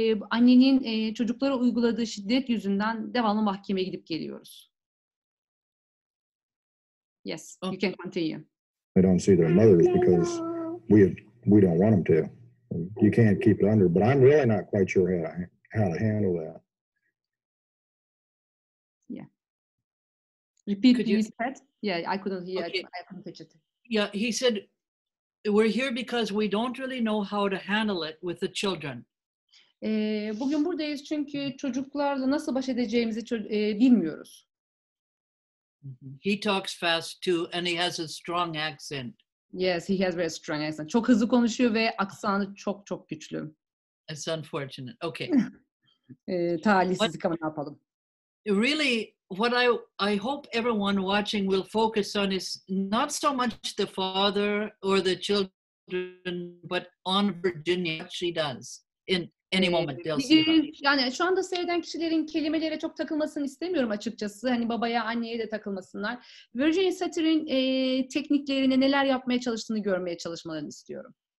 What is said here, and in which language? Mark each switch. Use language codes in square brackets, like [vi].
[tr] Annenin çocuklara uyguladığı şiddet yüzünden devamlı mahkemeye gidip geliyoruz. [en] Yes, you can continue. They don't see their mothers because we don't want them to. You can't keep it under, but I'm really not quite sure how to handle that. Yeah. Repeat, could please, Pat. Yeah, I couldn't hear. Okay. I couldn't catch it. Yeah, he said, we're here because we don't really know how to handle it with the children. [tr] Bugün buradayız çünkü çocuklarla nasıl baş edeceğimizi bilmiyoruz. [en] He talks fast too and he has a strong accent. Yes, he has very strong accent. [tr] Çok hızlı konuşuyor ve aksanı çok çok güçlü. [en] It's unfortunate. Okay. [tr] talihsizlik ama ne yapalım. [en] Really, what I hope everyone watching will focus on is not so much the father or the children, but on Virginia, she does in any moment. [tr] Yani şu anda seyreden kişilerin kelimelere çok takılmasını istemiyorum açıkçası. Hani babaya, anneye de takılmasınlar. Virginia Satir'in tekniklerini, neler yapmaya çalıştığını görmeye çalışmalarını istiyorum.